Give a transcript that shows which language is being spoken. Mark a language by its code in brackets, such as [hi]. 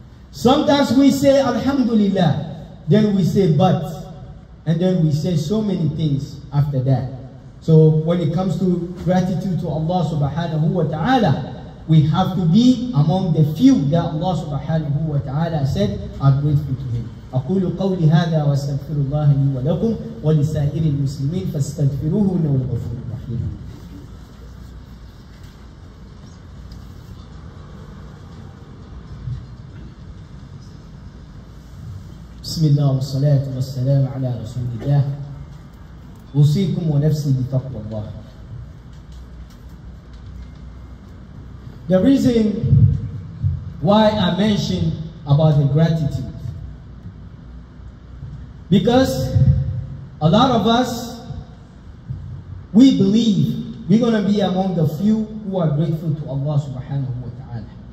[en] Sometimes we say Alhamdulillah, then we say but, and then we say so many things after that. So when it comes to gratitude to Allah subhanahu wa ta'ala, we have to be among the few that Allah subhanahu wa ta'ala said are grateful to Him. [ar] أقول قولي هذا وأستغفر الله لي ولكم ولسائر المسلمين فاستغفروه إنه الغفور الرحيم. بسم الله والصلاة والسلام على رسول الله. أوصيكم ونفسي بتقوى الله. [en] The reason why I mentioned about the gratitude, because a lot of us, we believe we're going to be among the few who are grateful to Allah subhanahu wa ta'ala.